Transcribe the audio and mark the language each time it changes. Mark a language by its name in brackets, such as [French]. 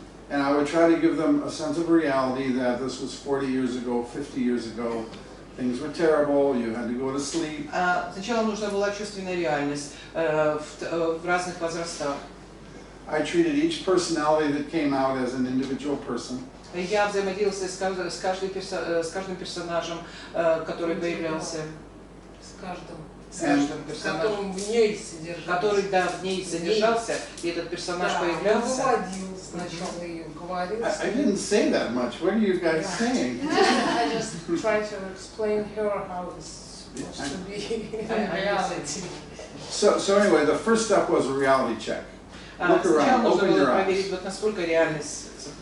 [English] And I would try to give them a sense of reality that this was 40 years ago, 50 years ago. Things were terrible, you had to go to sleep. [Russian] Сначала нужна была чувственная реальность в разных возрастах. [English] I treated each personality that came out as an individual person. [Russian] Я взаимодействовала с каждым персонажем, который появлялся. В ней содержался, и этот персонаж появлялся. Mm-hmm. [English] I didn't say that much. What are you guys saying? I just try to explain her how it's supposed to be in reality. So anyway, the first step was a reality check. Look around, open your eyes.